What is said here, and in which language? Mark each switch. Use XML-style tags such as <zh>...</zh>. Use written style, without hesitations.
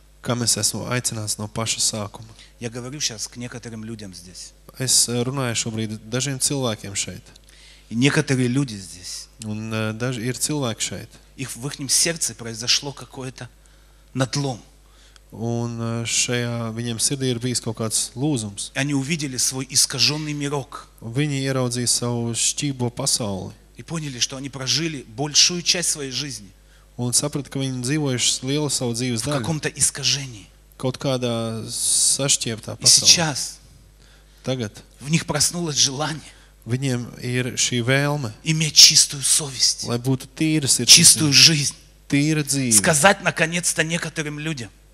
<lv>Kam es esmu aicināts no paša sākuma.</lv> <ru>Я говорю сейчас к некоторым людям здесь.</ru> <lv>Es runāju šobrīd dažiem cilvēkiem šeit.</lv> <ru>И некоторые люди здесь.</ru> <lv>Un daži ir cilvēki šeit.</lv> <ru>Их в их сердце произошло какое-то надлом.</ru> <lv>Un šajā viņiem sirdī ir bijis kaut kāds lūzums.</lv> <ru>И они увидели свой искажённый мирок.</ru> <lv>Viņi ieraudzīja savu šķībo pasauli.</lv> <ru>И поняли, что они прожили большую часть своей жизни.</ru> <lv>Un saprat, ka viņi dzīvojuši lielu savu dzīves daļu.</lv> <ru>В каком-то искажении.</ru> <lv>Kaut kādā sašķieptā pasaulē.</lv> <ru>И сейчас.</ru> <lv>Tagad.</lv> <ru>В них проснулось желание.</ru> <lv>Viņiem ir šī vēlme.</lv> <ru>Иметь чистую совесть.</ru> <lv>Lai būtu tīra sirds.</lv> <ru>Чистую жизнь.</ru> <lv>Tīra dzīve.</lv> <ru>Сказать наконец-то некоторым людям.</ru>